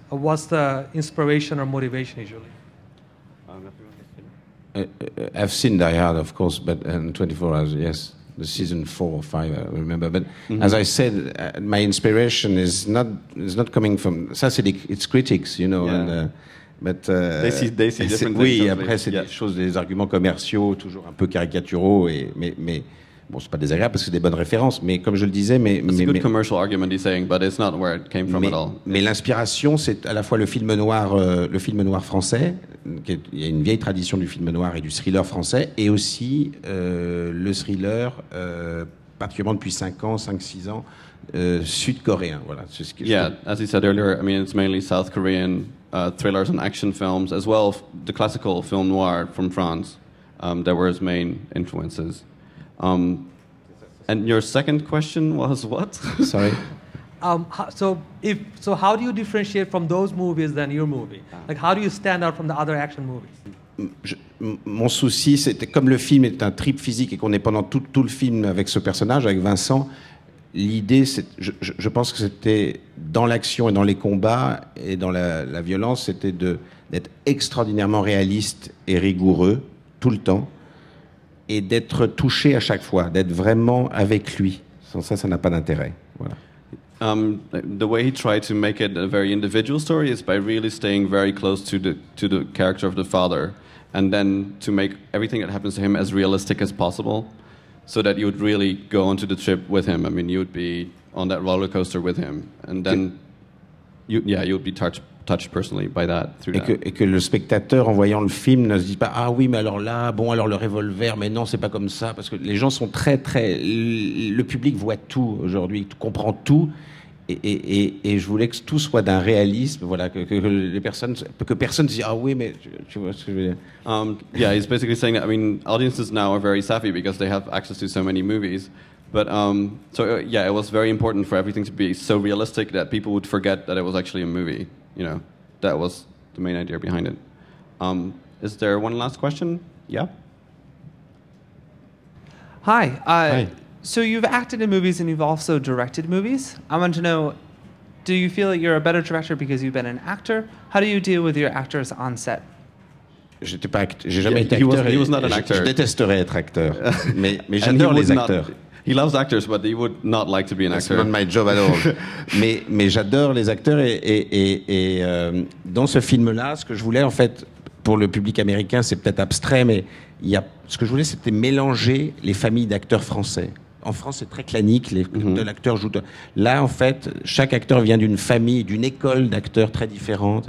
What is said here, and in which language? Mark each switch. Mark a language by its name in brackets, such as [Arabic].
[English] What's the inspiration or motivation usually? I've seen Die Hard, of course, but in 24 Hours, yes, the season 4 or 5, I remember. But as I said, my inspiration is not coming from. Ça, it's critics, you know. Yeah. And, but they see different [French] things. Oui, après, c'est des choses, des arguments commerciaux, toujours un peu caricaturaux, mais Bon, c'est pas désagréable parce que c'est des bonnes références, mais comme je le disais, mais [English] it's a good commercial argument, he's saying, but it's not where it came from at all. [French] Mais l'inspiration, c'est à la fois le film noir français, qui est, il y a une vieille tradition du film noir et du thriller français, et aussi le thriller, particulièrement depuis 5-6 ans, sud-coréen. Voilà. [English] As you said earlier, I mean, it's mainly South Korean thrillers and action films, as well as the classical film noir from France, that were his main influences. And your second question was what? Sorry. So how do you differentiate from those movies than your movie? Like, how do you stand out from the other action movies? [French] Mon souci, c'était comme le film est un trip physique et qu'on est pendant tout le film avec ce personnage, avec Vincent, l'idée, c'est, je pense que c'était dans l'action et dans les combats et dans la violence, c'était d'être extraordinairement réaliste et rigoureux tout le temps. Et d'être touché à chaque fois, d'être vraiment avec lui. Sans ça, ça n'a pas d'intérêt. Voilà. [English] The way he tried to make it a very individual story is by really staying very close to the character of the father, and then to make everything that happens to him as realistic as possible, so that you would really go onto the trip with him. I mean, you would be on that roller coaster with him, and then you would be touched personally by that, through [French] et que, [English] that. [French] Et que le spectateur en voyant le film ne se dit pas ah oui mais alors là bon alors le revolver mais non c'est pas comme ça parce que les gens sont très très le public voit tout aujourd'hui comprend tout et je voulais que tout soit d'un réalisme voilà que les personnes que personne se dise ah oui mais tu vois ce que je veux dire. [English] He's basically saying that, I mean, audiences now are very savvy because they have access to so many movies. But it was very important for everything to be so realistic that people would forget that it was actually a movie. You know, that was the main idea behind it. Is there one last question? Yeah. Hi. Hi. So you've acted in movies and you've also directed movies. I want to know, do you feel like you're a better director because you've been an actor? How do you deal with your actors on set? He was not an actor. [French] Je détesterais être acteur. mais j'adore les acteurs. [English] He loves actors, but he would not like to be an actor. It's not my job at all. [French] mais j'adore les acteurs et dans ce film-là, ce que je voulais en fait pour le public américain, c'est peut-être abstrait, mais ce que je voulais, c'était mélanger les familles d'acteurs français. En France, c'est très clanique, de l'acteur joue. Là, en fait, chaque acteur vient d'une famille, d'une école d'acteurs très différente.